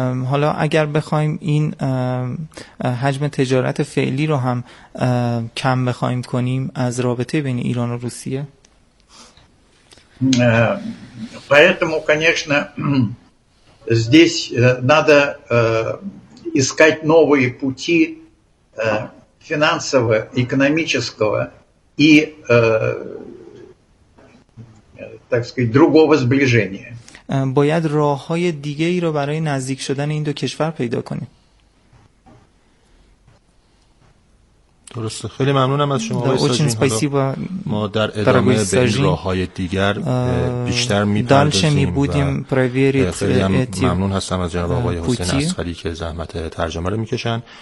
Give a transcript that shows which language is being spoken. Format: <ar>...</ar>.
<fa>حالا اگر بخوایم این حجم تجارت فعلی رو هم کم بخوایم کنیم از رابطه بین ایران و روسیه.</fa> <ru>Поэтому, конечно, здесь надо искать новые пути финансового, экономического и, так сказать, другого сближения.</ru> <tg>Бояд роҳҳои дигаиро барои наздик шудани ин ду кишвар пайдо кунем.</tg> <fa>درسته. خیلی ممنونم از شما آقای ساجین. ما در ادامه به راه‌های دیگر بیشتر می‌پردازیم. خیلی ممنون هستم از جناب آقای حسین اسخری که زحمت ترجمه رو می‌کشن.</fa>